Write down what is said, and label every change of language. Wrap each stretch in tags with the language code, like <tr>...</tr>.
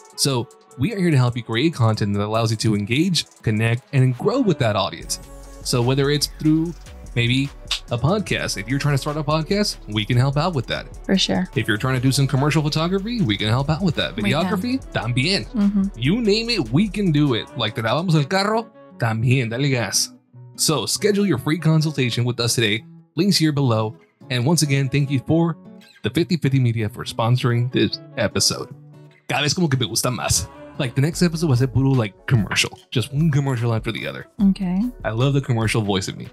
<en>So, we are here to help you create content that allows you to engage, connect, and grow with that audience. So whether it's through maybe a podcast, if you're trying to start a podcast, we can help out with that. For sure. If you're trying to do some commercial photography, we can help out with that. Videography, también. Mm-hmm. You name it, we can do it.</en> <es>Like, te lavamos el carro, también, dale gas.</es> <en>So schedule your free consultation with us today. Links here below. And once again, thank you for the 50-50 Media for sponsoring this episode.</en> <es>Cada vez como que me gusta más.</es> <en>Like, the next episode was a puro, like, commercial. Just one commercial after the other. Okay. I love the commercial voice of me.</en>